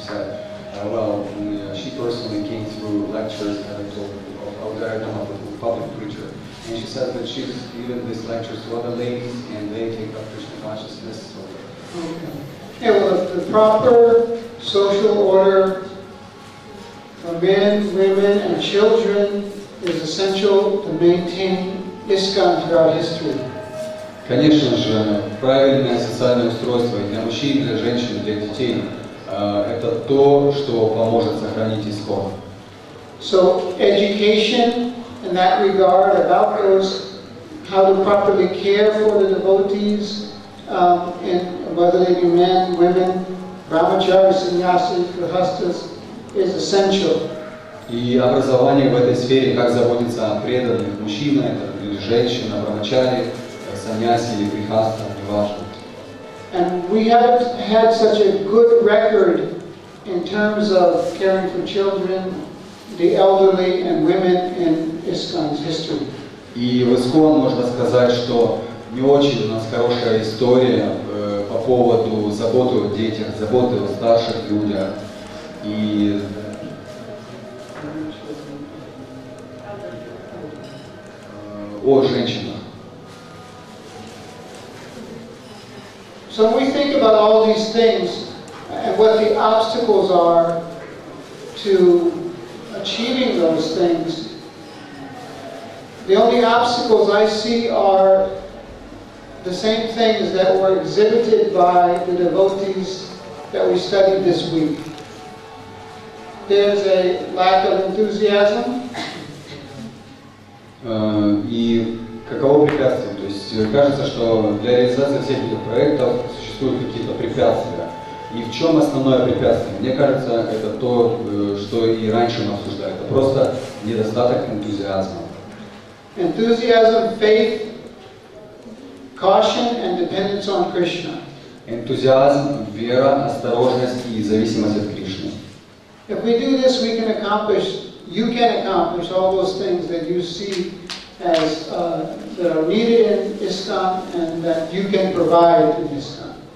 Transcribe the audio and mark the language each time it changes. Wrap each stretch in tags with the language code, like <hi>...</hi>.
<en>She said. She personally came through lectures of Avadharana, a public preacher, and she said that she was given these lectures to other ladies and they take up Krishna consciousness. So. Okay. Yeah, well, the proper social order for men, women, and children is essential to maintain ISKCON throughout history.</en> <ru>Конечно же, правильное социальное устройство для мужчин, для женщин, для детей. Это то, что поможет сохранить ИСКОН.</ru> <en>So education in that regard about those how to properly care for the devotees, and whether they be men, women, brahmacharis, sannyasis, grihasthas, is essential.</en> <ru>И образование в этой сфере, как заботиться о преданных мужчинах или женщинах, брахмачари, саньяси или грихаста, неважно.</ru> <en>And we have had such a good record in terms of caring for children, the elderly, and women in ISKCON's history.</en> <ru>И в ИСКОН можно сказать, что не очень у нас хорошая история по поводу заботы о детях, заботы о старших людях и о женщинах.</ru> <en>So when we think about all these things and what the obstacles are to achieving those things, the only obstacles I see are the same things that were exhibited by the devotees that we studied this week. There's a lack of enthusiasm.</en> <ru>И каково препятствие? То есть есть кажется, что для реализации всех этих проектов существуют какие-то препятствия. И в чем основное препятствие? Мне кажется, это то, что и раньше мы обсуждали. Это просто недостаток энтузиазма.</ru> <en>Enthusiasm, faith, caution and dependence on Krishna.</en> <ru>Энтузиазм, вера, осторожность и зависимость от Кришны.</ru> <en>If we do this, we can accomplish, you can accomplish all those things that you see as that are needed in ISKCON and that you can provide in ISKCON.</en>